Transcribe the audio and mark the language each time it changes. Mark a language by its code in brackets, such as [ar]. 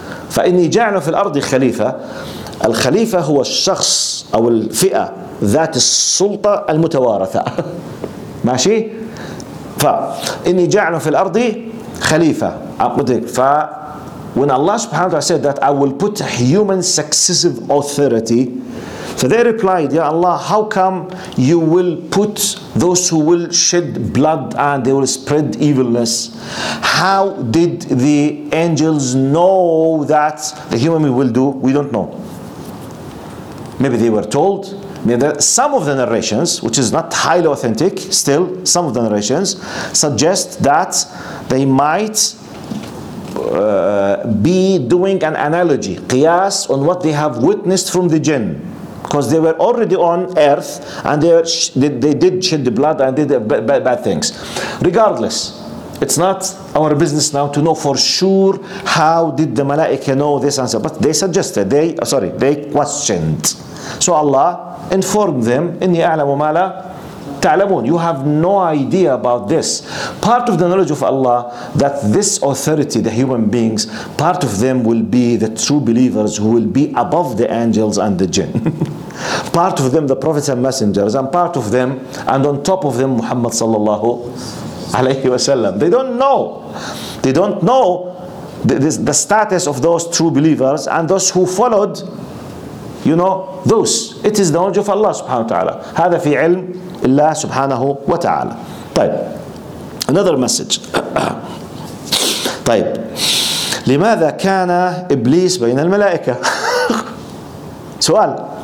[ar] فإني جعل في الأرض خليفة، الخليفة هو الشخص أو الفئة ذات السلطة المتوارثة ماشي. فإني جعل في الأرض خليفة، فإن الله سبحانه وتعالى [en] said that I will put human successive authority. So they replied, Ya Allah, how come you will put those who will shed blood and they will spread evilness? How did the angels know that the human being will do? We don't know. Maybe they were told. Some of the narrations, which is not highly authentic, still some of the narrations suggest that they might be doing an analogy, qiyas, on what they have witnessed from the jinn. Because they were already on earth and they did shed the blood and did bad things. Regardless, it's not our business now to know for sure how did the malaika know this answer. But they suggested, they questioned. So Allah informed them, [ar] إِنِّي أَعْلَمُ مَا لَا تَعْلَمُونَ. [en] You have no idea about this. Part of the knowledge of Allah that this authority, the human beings, part of them will be the true believers who will be above the angels and the jinn. Part of them the prophets and messengers, and part of them and on top of them Muhammad sallallahu alayhi wasallam. They don't know the status of those true believers and those who followed, you know, those. It is the knowledge of Allah subhanahu wa ta'ala. [ar] هذا في علم الله سبحانه وتعالى. [en] طيب, another message. [ar] طيب, لماذا كان إبليس بين الملائكة؟ سؤال.